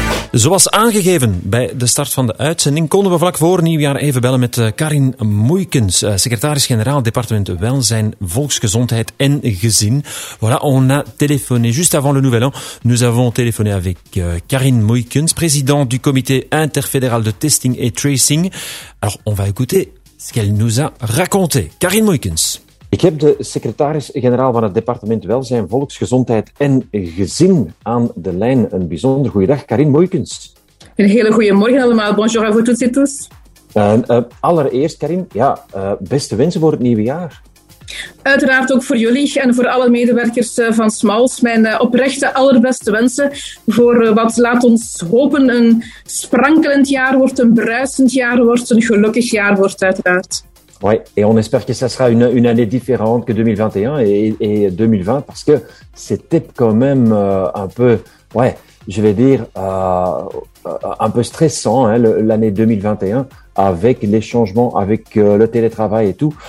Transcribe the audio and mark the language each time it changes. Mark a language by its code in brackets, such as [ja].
[nl] Zoals aangegeven bij de start van de uitzending, konden we vlak voor nieuwjaar even bellen met Karin Moeikens, secretaris-generaal, departement Welzijn, Volksgezondheid en Gezin. [fr] Voilà, on a téléphoné juste avant le nouvel an. Nous avons téléphoné avec Karin Moeikens, président du comité interfédéral de testing et tracing. Alors, on va écouter ce qu'elle nous a raconté. Karin Moeikens. [nl] Ik heb de secretaris-generaal van het departement Welzijn, Volksgezondheid en Gezin aan de lijn. Een bijzonder goeiedag, Karin Moeikens. Een hele goede morgen allemaal. [fr] Bonjour à vous toutes et tous. [nl] Allereerst, Karin, ja, beste wensen voor het nieuwe jaar. Uiteraard ook voor jullie en voor alle medewerkers van Smals. Mijn oprechte allerbeste wensen voor wat, laat ons hopen, een sprankelend jaar wordt, een bruisend jaar wordt, een gelukkig jaar wordt uiteraard. [fr] Oui, et on espère que ça sera une année différente que 2021 et 2020, parce que c'était quand même un peu, ouais, je vais dire, un peu stressant, hein, l'année 2021, avec les changements, avec le télétravail et tout.